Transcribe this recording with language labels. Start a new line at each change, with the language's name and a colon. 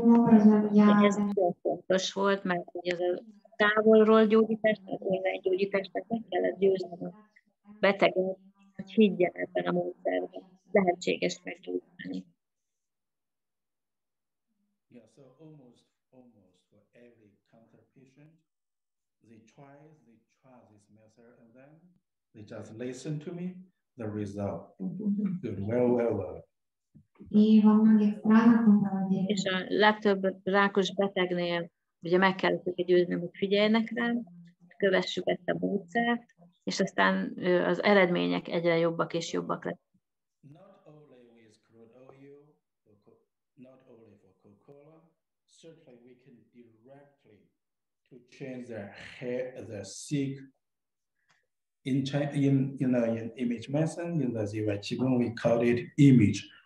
Hungarian: Ez nagyon fontos volt, mert ez a távolról gyógyítás, tehát online gyógyítás, tehát meg kellett győzni a beteget, hogy higgyen ebben a módszerben, lehetséges megtudni.
English: Yeah, so almost for every cancer patient, they try this method, and then they just listen to me, the result. Good, well.
Hungarian: És a legtöbb rákos betegnél ugye meg kellett őket győzni, hogy figyeljenek rám, kövessük ezt a módszert, és aztán az eredmények egyre jobbak és jobbak lettek.
English: Not only with crude oil, not only for Coca-Cola, certainly we can directly to change their hair, the sick in image medicine, in the Ziva Qigong, we call it image.